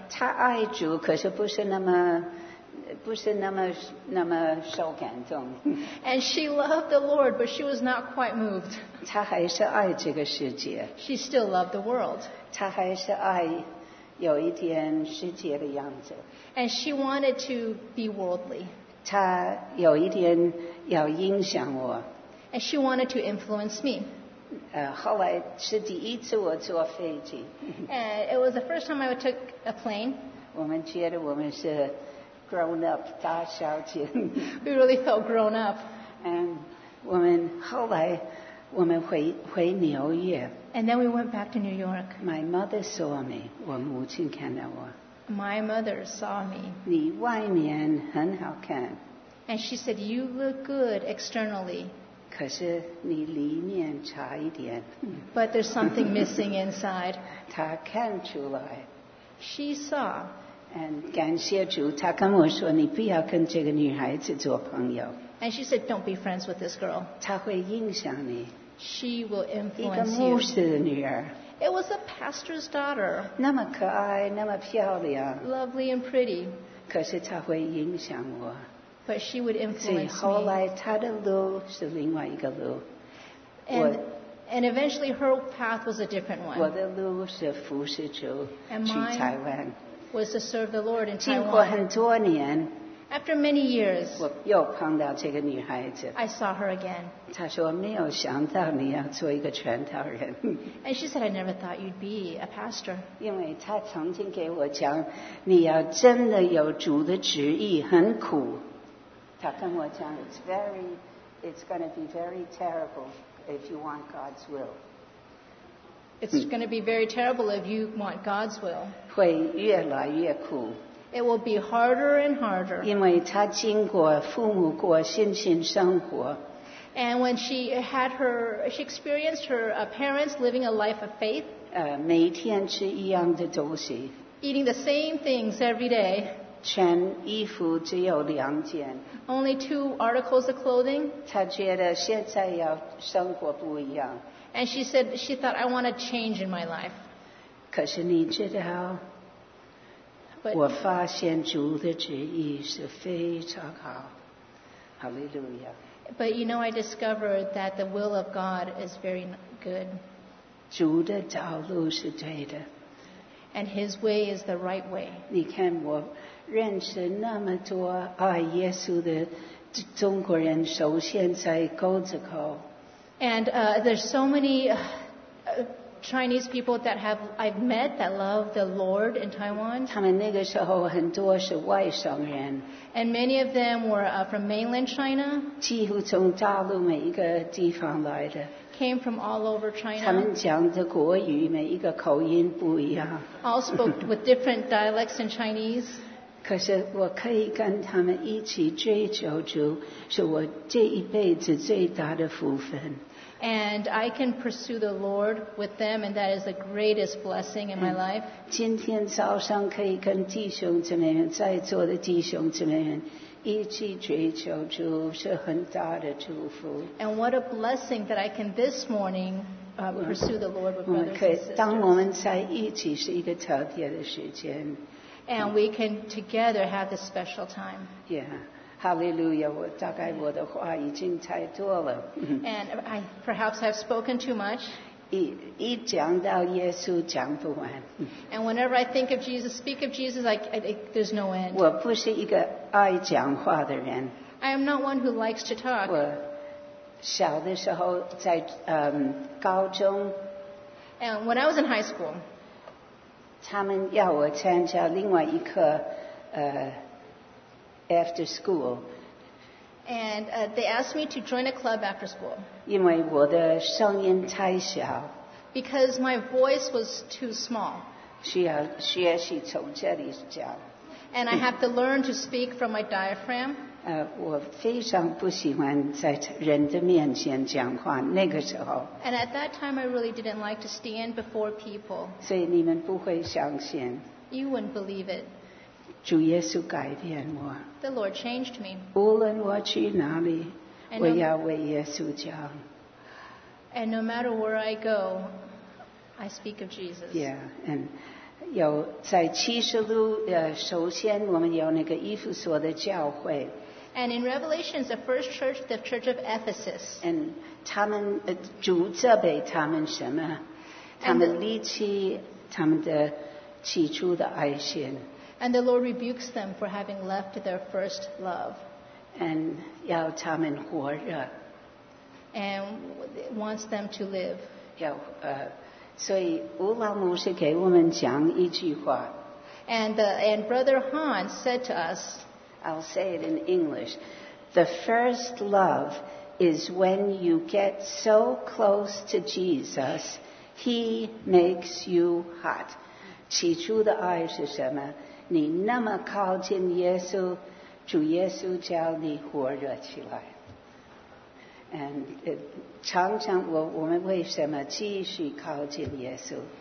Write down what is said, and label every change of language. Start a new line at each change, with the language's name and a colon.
Chinese: 她爱主, 可是不是那么受感动.
English: And she loved the Lord, but she was not quite moved.
Chinese: 她还是爱这个世界.
English: She still loved the world.
Chinese: 她还是爱
English: And she wanted to be worldly.
Chinese: 她有一天要影响我.
English: And she wanted to influence me.
Chinese: 后来是第一次我坐飞机.
English: And it was the first time I took a plane.
Chinese: 我们觉得我们是
English: grown up,
Chinese: 大小姐.
English: We really felt grown up. And
Chinese: 后来我们回纽约.
English: And then we went back to New York. My mother saw me.
Chinese: 我母亲看到我.
English: My mother saw me.
Chinese: 你外面很好看.
English: And she said, you look good externally.
Chinese: 可是你里面差一点.
English: But there's something missing inside.
Chinese: 她看出来.
English: She saw. And
Chinese: 感谢主, 她跟我说, 你不要跟这个女孩子做朋友.
English: And she said, don't be friends with this girl.
Chinese: 她会影响你.
English: She will influence you. It was a pastor's daughter.
Chinese: 那么可爱, 那么漂亮,
English: lovely and pretty.
Chinese: 可是她会影响我.
English: But she would influence me.
Chinese: 后来她的路是另外一个路.
English: And eventually her path was a different one.
Chinese: 我的路是服侍主,
English: and mine
Chinese: 去台湾.
English: Was to serve the Lord in Taiwan.
Chinese: 经过很多年,
English: After many years,
Chinese: 我又碰到这个女孩子,
English: I saw her again.
Chinese: 她说没有想到你要做一个传道人.
English: And she said, I never thought you'd be a pastor.
Chinese: 因为她曾经给我讲, 你要真的有主的旨意很苦. 她跟我讲,
English: it's going to be very terrible if you want God's will. It's going to be very terrible if you want God's will.
Chinese: 会越来越苦.
English: It will be harder and harder.
Chinese: 因为她经过父母过信心生活.
English: And when she had her, she experienced her parents living a life of faith.
Chinese: 每天吃一样的东西.
English: Eating the same things every day.
Chinese: 穿衣服只有两件.
English: Only two articles of clothing.
Chinese: 她觉得现在要生活不一样.
English: And she said, she thought, I want a change in my life.
Chinese: 可是你知道,
English: But,
Chinese: 我发现主的旨意是非常好.
English: Hallelujah. But you know, I discovered that the will of God is very good.
Chinese: 主的道路是对的.
English: And His way is the right way.
Chinese: 你看我认识那么多爱耶稣的中国人，首先在高子口。
English: And there's so many Chinese people that I've met that love the Lord in Taiwan.
Chinese: 他们那个时候很多是外省人.
English: And many of them were from mainland China.
Chinese: 几乎从大陆每一个地方来的.
English: Came from all over China.
Chinese: 他们讲的国语每一个口音不一样.
English: All spoke with different dialects in Chinese.
Chinese: 可是我可以跟他们一起追求主，是我这一辈子最大的福分。
English: And I can pursue the Lord with them, and that is the greatest blessing in my life.
Chinese: 今天早上可以跟弟兄姊妹们，在座的弟兄姊妹们一起追求主，是很大的祝福。
English: And what a blessing that I can this morning pursue the Lord with brothers and sisters.
Chinese: 当我们在一起是一个特别的时间。
English: And we can together have this special time. Yeah. Hallelujah,
Chinese: 我大概我的话已经太多了。
English: And I perhaps I've spoken too much.
Chinese: 一讲到耶稣讲不完。
English: And whenever I think of Jesus, speak of Jesus, there's no end.
Chinese: 我不是一个爱讲话的人。
English: I am not one who likes to talk.
Chinese: 我小的时候在 高中。
English: And when I was in high school,
Chinese: 他们要我参加另外一课
English: after school And they asked me to join a club after school.
Chinese: 因为我的声音太小。
English: Because my voice was too small.
Chinese: 需要学习从这里讲。
English: And I have to learn to speak from my diaphragm.
Chinese: 我非常不喜欢在人的面前讲话，那个时候。
English: And at that time, I really didn't like to stand before people.
Chinese: 所以你们不会相信。
English: You wouldn't believe it.
Chinese: 主耶稣改变我。
English: The Lord changed me.
Chinese: 无论我去哪里，我要为耶稣讲。
English: And no matter where I go, I speak of Jesus. Yeah, and
Chinese: 有在启示录，首先我们有那个以弗所的教会。
English: And in Revelation, the first church, the church of Ephesus. And
Chinese: 他们主责备他们什么？他们离弃他们的起初的爱心。
English: And the Lord rebukes them for having left their first love. And
Chinese: 要他们活着。
English: And wants them to live.
Chinese: 要所以乌拉姆是给我们讲一句话。
English: And Brother Han said to us, I'll say it in English. The first love is when you get so close to Jesus, He makes you hot.
Chinese: 起初的爱是什么？你那么靠近耶稣，主耶稣叫你火热起来。
English: And
Chinese: 常常我们为什么继续靠近耶稣